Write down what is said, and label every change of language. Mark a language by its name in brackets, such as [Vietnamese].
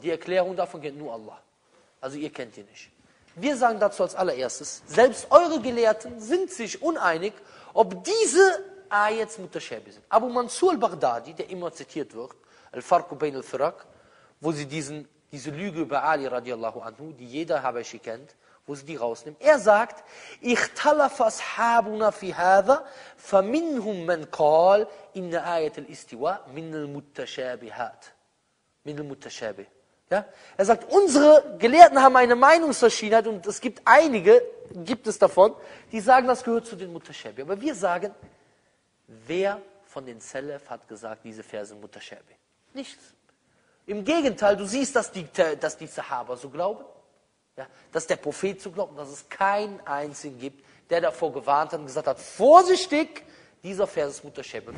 [German] Die Erklärung davon kennt nur Allah. Also ihr kennt ihn nicht. Wir sagen dazu als allererstes, selbst eure Gelehrten sind sich uneinig, ob diese Ayats Mutaschäbi sind. Abu Mansur al-Baghdadi, der immer zitiert wird, Al-Farku Bayn al-Firak, wo sie diese Lüge über Ali radiallahu anhu, die jeder Habashi kennt, wo sie die rausnimmt. Er sagt, [Arabic] اختلف أصحابنا في هذا فمنهم من قال إن آية الاستواء من المتشابهات. من المتشابه. [German] Ja? Er sagt, unsere Gelehrten haben eine Meinungsverschiedenheit und es gibt einige, gibt es davon, die sagen, das gehört zu den Mutaschäbi. Aber wir sagen, wer von den Selef hat gesagt, diese Verse sind Mutaschäbi? Nichts. Im Gegenteil, du siehst, dass die Sahaba so glauben, ja, dass der Prophet so glaubt, dass es keinen einzigen gibt, der davor gewarnt hat und gesagt hat, vorsichtig, dieser Vers ist Mutaschäbi.